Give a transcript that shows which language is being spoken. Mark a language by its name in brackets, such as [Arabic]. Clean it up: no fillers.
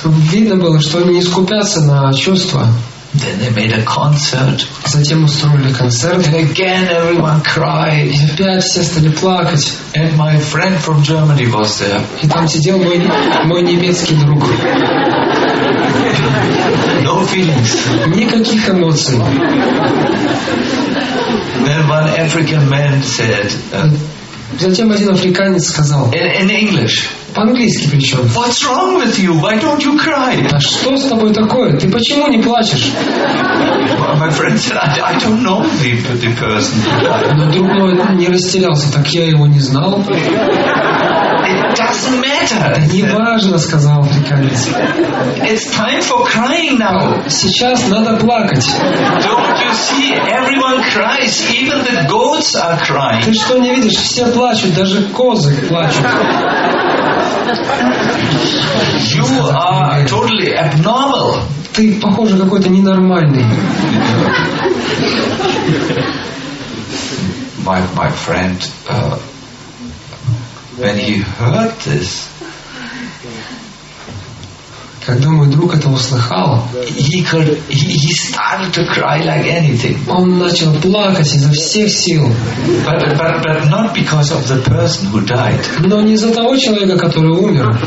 [Russian] Видно было, что они не скупятся на чувства. [English] Then they made a concert. [Russian] Затем устроили концерт. [English] And again, everyone cried. [Russian] И опять все стали плакать. [English] And my friend from Germany was there. [Russian] И там сидел мой немецкий друг. [English] No feelings. [Russian] Никаких эмоций. [English] Then one African man said. [Russian] Затем один африканец сказал. [English] In English. [Russian] По-английски причем. [English] What's wrong with you? Why don't you cry? [Russian] Да что с тобой такое? Ты почему не плачешь? [English] My friend said, I don't know the person. [Russian] Но друг мой не растерялся, так я его не знал. [English] It doesn't matter. [Russian] Не важно, сказал африканец. [English] It's time for crying now. [Russian] Сейчас надо плакать. [English] Don't you see? Everyone cries. Even the goats are crying. [Russian] Ты что не видишь? Все плачут, даже козы плачут. [English] You are totally abnormal. [Russian] ты, похоже, какой-то ненормальный. [English] My friend, when he heard this, [Russian] когда мой друг это услыхал, [English] he started to cry like anything. [Russian] Он начал плакать изо всех сил. [English] But not because of the person who died. [Russian] Но не из-за того человека, который умер.